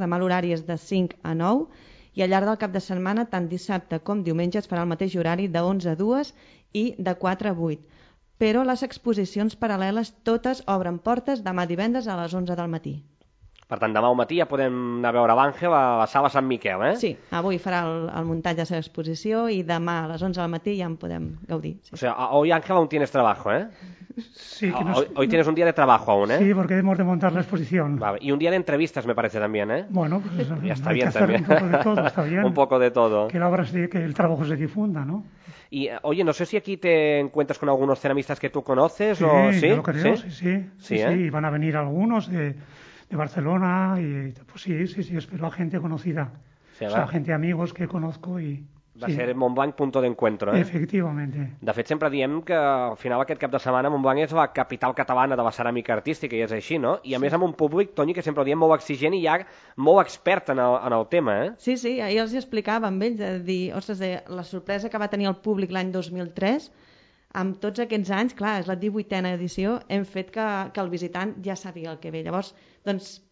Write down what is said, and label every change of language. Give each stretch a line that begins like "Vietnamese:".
Catalan: Demà l'horari és de 5 a 9 i al llarg del cap de setmana, tant dissabte com diumenge, es farà el mateix horari de 11 a 2 i de 4 a 8. Però les exposicions paral·leles totes obren portes demà divendres a les 11 del matí. Per tant, demà al matí ja podem anar a veure l'Àngel a la sala Sant Miquel, Sí, avui farà el muntatge de la exposició i demà a les 11 del matí ja en podem gaudir. Sí.
Spanish: O sea, hoy Ángel aún tienes trabajo, Sí, que hoy tienes un día de trabajo aún, Sí, porque hemos de montar la exposición. Vale. Y un día de entrevistas, me parece, también, Bueno, pues ya está bien también. Un poco de todo. Que la obra que el trabajo se difunda, ¿no? Y, oye, no sé si aquí te encuentras con algunos ceramistas que tú conoces sí, o... Sí, yo lo creo, sí. Van a venir algunos de Barcelona y pues sí, espero a gente conocida. Sí, o sea, gente, amigos que conozco y... Va ser Montblanc punto d'encuentro,
Catalan: Efectivament. De fet, sempre diem que al final aquest cap de setmana Montblanc és la capital catalana de la ceràmica artística, i és així, no? I a més amb un públic, Toni, que sempre ho diem, molt exigent i ja molt expert en el tema, Sí, sí, ahir els hi explicava amb ells, la sorpresa que va tenir el públic l'any 2003, amb tots aquests anys, clar, és la 18a edició, hem fet que el visitant ja sàpiga el que ve. Llavors, doncs,